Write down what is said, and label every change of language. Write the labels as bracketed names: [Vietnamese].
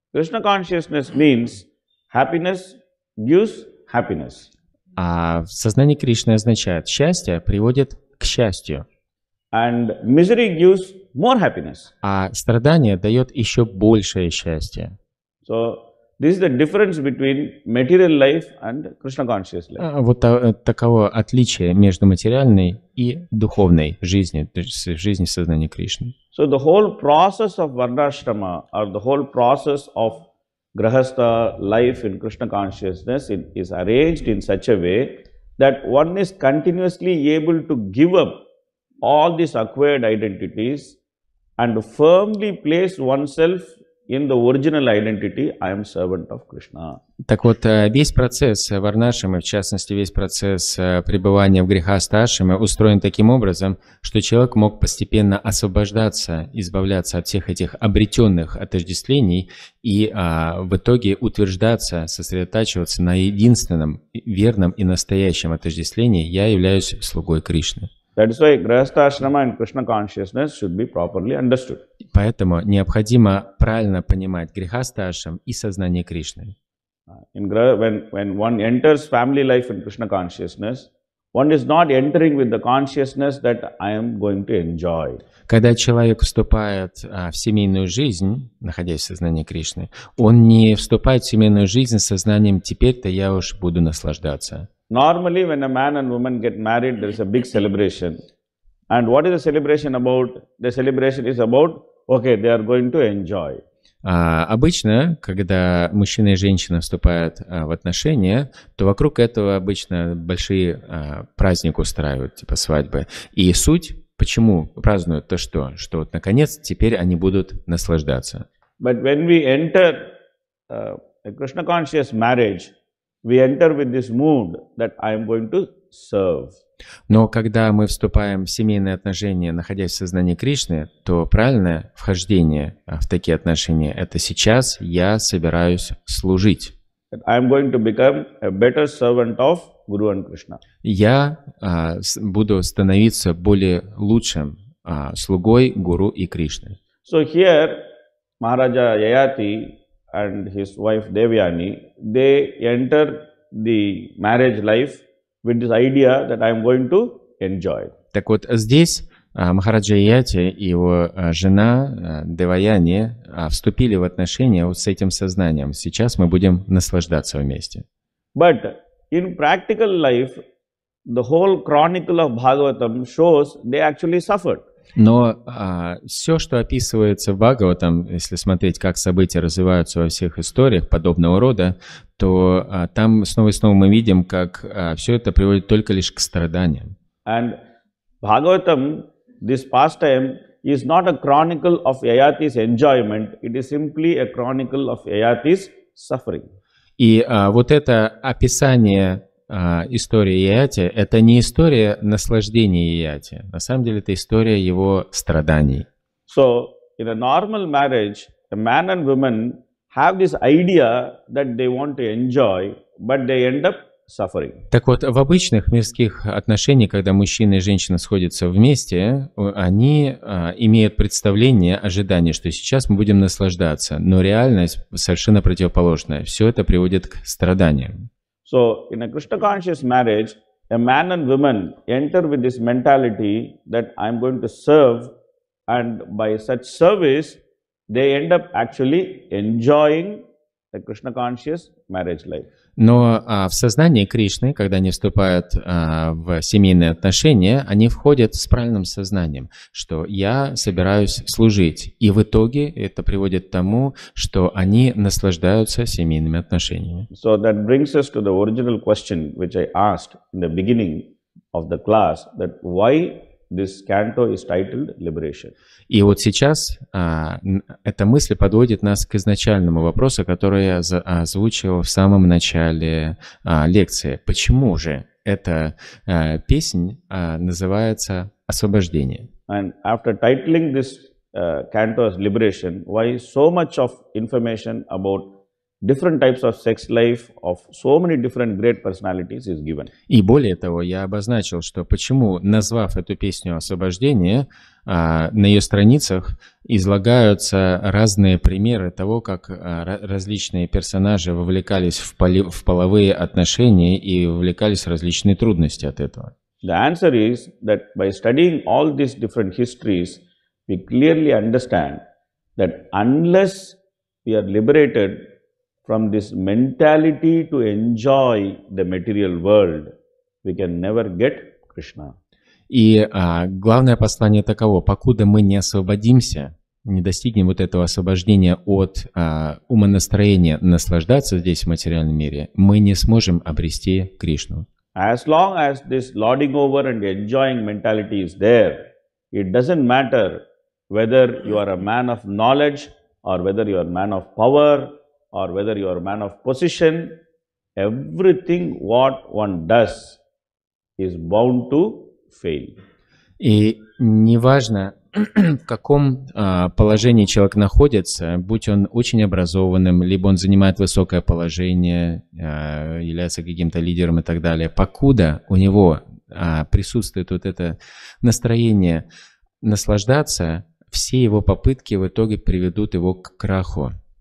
[English] Krishna consciousness means happiness gives happiness. [Russian] А сознание Кришны означает, счастье приводит к счастью. [English] And misery gives more happiness. [Russian] А страдание дает еще большее счастье. [English] So, this is the difference between material life and Krishna consciousness life. [Russian] Вот таково отличие между материальной и духовной жизнью, то есть жизнью сознания Кришны. [English] So the whole process of Varnashrama or the whole process of Grahastha life in Krishna consciousness is arranged in such a way that one is continuously able to give up all these acquired identities and firmly place oneself in the original identity, I am servant of Krishna. [Russian] Так вот, весь процесс варнашрамы, в частности, весь процесс пребывания в грехастхаашраме устроен таким образом, что человек мог постепенно освобождаться, избавляться от всех этих обретенных отождествлений и в итоге утверждаться, сосредотачиваться на единственном, верном и настоящем отождествлении «Я являюсь слугой Кришны». [English] That is why grahastha ashrama and Krishna consciousness should be properly understood. [Russian] Поэтому необходимо правильно понимать грехастха ашрам и сознание Кришны. [English] When one enters family life in Krishna consciousness, one is not entering with the consciousness that I am going to enjoy. [Russian] Когда человек вступает в семейную жизнь, находясь в сознании Кришны, он не вступает в семейную жизнь с сознанием «теперь-то я уж буду наслаждаться». [English] Normally, when a man and woman get married, there is a big celebration. And what is the celebration about? The celebration is about, okay, they are going to enjoy. [Russian] Обычно, когда мужчина и женщина вступают в отношения, то вокруг этого обычно большие праздники устраивают, типа свадьбы. И суть, почему празднуют, то что? Что вот наконец теперь они будут наслаждаться. [English] But when we enter a Krishna conscious marriage, we enter with this mood that I am going to serve. [Russian] Но когда мы вступаем в семейные отношения, находясь в сознании Кришны, то правильное вхождение в такие отношения – это сейчас я собираюсь служить. [English] I am going to become a better servant of Guru and Krishna. [Russian] Я буду становиться более лучшим слугой Гуру и Кришны. [English] So here, Maharaja Yayati and his wife Devyani, they enter the marriage life with this idea that I am going to enjoy. [Russian] Так вот, здесь Махараджа Яти и его жена Девяяни вступили в отношения вот с этим сознанием. Сейчас мы будем наслаждаться вместе. [English] But in practical life, the whole chronicle of Bhagavatam shows they actually suffered. [Russian] Но все, что описывается в Бхагаватам, если смотреть, как события развиваются во всех историях подобного рода, то там снова и снова мы видим, как все это приводит только лишь к страданиям. [English] And Bhagavatam, this pastime, is not a chronicle of Yayati's enjoyment, it is simply a chronicle of Yayati's suffering. [Russian] И вот это описание история Яяти – это не история наслаждения Яяти. На самом деле, это история его страданий. [English] So, in a normal marriage, a man and woman have this idea that they want to enjoy, but they end up suffering. [Russian] Так вот, в обычных мирских отношениях, когда мужчина и женщина сходятся вместе, они имеют представление, ожидание, что сейчас мы будем наслаждаться, но реальность совершенно противоположная. Все это приводит к страданиям. [English] So, in a Krishna-conscious marriage, a man and woman enter with this mentality that I'm going to serve, and by such service, they end up actually enjoying the Krishna-conscious marriage life. [Russian] Но в сознании Кришны, когда они вступают в семейные отношения, они входят с правильным сознанием, что я собираюсь служить. И в итоге это приводит к тому, что они наслаждаются семейными отношениями. [English] So that brings us to the original question, which I asked in the beginning of the class, that why this canto is titled Liberation. [Russian] И вот сейчас эта мысль подводит нас к изначальному вопросу, который я озвучил в самом начале лекции. Почему же эта песня называется «Освобождение»? [English] And after titling this canto as Liberation, why so much of information about different types of sex life of so many different great personalities is given. [Russian] И более того, я обозначил, что почему, назвав эту песню «Освобождение», на ее страницах излагаются разные примеры того, как различные персонажи вовлекались в половые отношения и вовлекались в различные трудности от этого. [English] The answer is that by studying all these different histories, we clearly understand that unless we are liberated from this mentality to enjoy the material world, we can never get Krishna. [Russian] И главное послание таково: покуда мы не освободимся, не достигнем вот этого освобождения от умонастроения наслаждаться здесь в материальном мире, мы не сможем обрести Кришну. [English] As long as this lording over and enjoying mentality is there, it doesn't matter whether you are a man of knowledge or whether you are a man of power, or whether you are a man of position, everything what one does is bound to fail. [Russian] И неважно, в каком положении человек находится, будь он очень образованным, либо он занимает высокое положение, является каким-то лидером и так далее, покуда у него присутствует вот это настроение наслаждаться, все его попытки в итоге приведут его к краху.